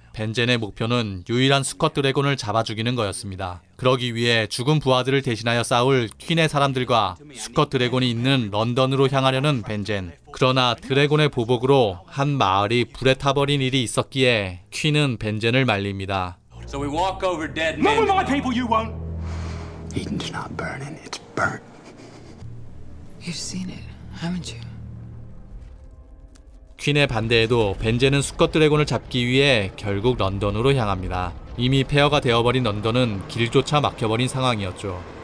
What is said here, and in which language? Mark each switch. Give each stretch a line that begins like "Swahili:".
Korean: 벤젠의 목표는 유일한 수컷 드래곤을 잡아 죽이는 거였습니다. 그러기 위해 죽은 부하들을 대신하여 싸울 퀸의 사람들과 수컷 드래곤이 있는 런던으로 향하려는 벤젠. 그러나 드래곤의 보복으로 한 마을이 불에 타버린 일이 있었기에 퀸은 벤젠을 말립니다.
English: So we walk over dead men. Not with my people, you won't. Eden's not burning, it's burnt. You've seen it, haven't you?
Korean: 퀸의 반대에도 벤젠은 수컷 드래곤을 잡기 위해 결국 런던으로 향합니다. 이미 폐허가 되어버린 런던은 길조차 막혀버린 상황이었죠.